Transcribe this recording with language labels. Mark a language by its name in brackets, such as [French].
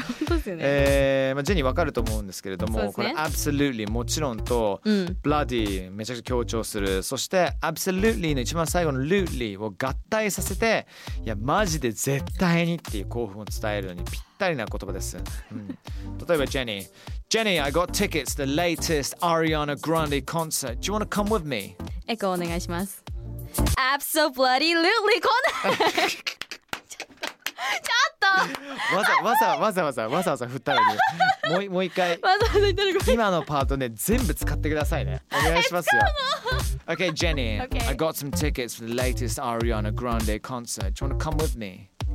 [Japanese] 本当ですよね。まあ、ジェニー分かると思うんですけれども、そうですね、これ absolutely もちろんと、うん、 bloody めちゃくちゃ強調する。そして absolutely の一番最後の lutely を合体させて、いやマジで絶対にっていう興奮を伝えるのにぴったりな言葉です。うん、例えばジェニー、ジェニー、 [English] I got tickets to the latest Ariana Grande concert. Do you want to come with me? [Japanese] エコーお願いします。 Abso-bloody-lutely こんな。ちょっとわざわざ振ったのに、もう一回わざわざ言ったの、今のパートね全部使ってくださいね、お願いしますよ。 [English] OK Jenny、 okay. I got some tickets for the latest Ariana Grande concert. Do you want to come with me?